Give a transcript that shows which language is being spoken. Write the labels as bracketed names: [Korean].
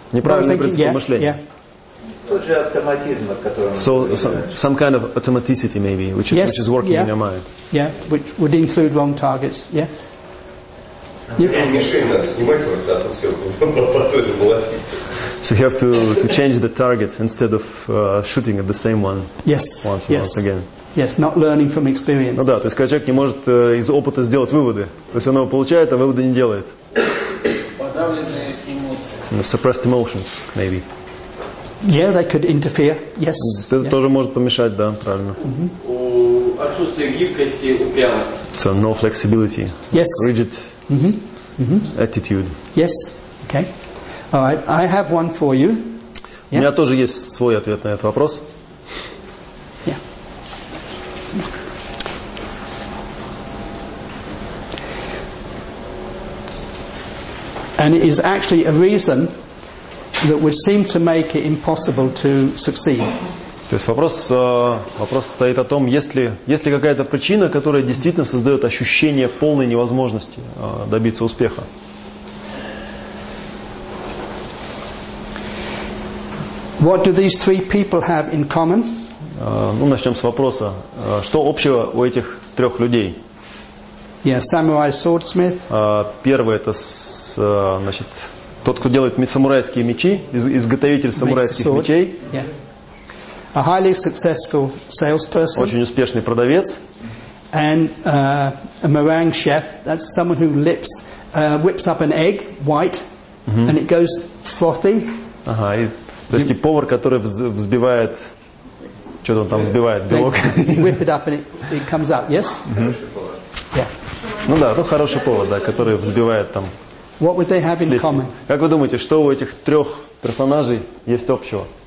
[Russian] Неправильный принцип мышления. Тот же автоматизм, о котором. [English] So some kind of automaticity maybe, which is working in your mind. Yeah. Which would include wrong targets. Yeah. So you have to change the target instead of shooting at the same one. Yes. Once and once again. Yes, not learning from experience. [Russian] Ну да, то есть когда человек не может из опыта сделать выводы. То есть он его получает, а выводы не делает. Подавленные эмоции. [English] Suppressed emotions, maybe. Yeah, they could interfere. Yes. [Russian] Это [English] yeah. [Russian] тоже может помешать, да, правильно. У отсутствия гибкости, упрямости. [English] So no flexibility. Yes. Rigid attitude. Yes. Okay. All right. I have one for you. Yeah. [Russian] У меня тоже есть свой ответ на этот вопрос. [English] And it is actually a reason that would seem to make it impossible to succeed. [Russian] То есть вопрос стоит о том, есть ли какая-то причина, которая действительно создает ощущение полной невозможности добиться успеха. [English] What do these three people have in common? [Russian] Ну, начнем с вопроса. Что общего у этих трех людей? [English] Yeah, samurai swordsmith. [Russian] Первый это значит тот, кто делает самурайские мечи, изготовитель самурайских мечей. [English] Yeah. A highly successful salesperson. [Russian] Очень успешный продавец. [English] And a meringue chef. That's someone who whips up an egg white, and it goes frothy. [Russian] Ага, и, то есть повар, который взбивает что-то он там взбивает белок. [English] Whip it up and it comes out. Yes. [Russian] Ну да, ну хороший повар, да, который взбивает там. [English] What would they have in common? [Russian] Как вы думаете, что у этих трех персонажей есть общего?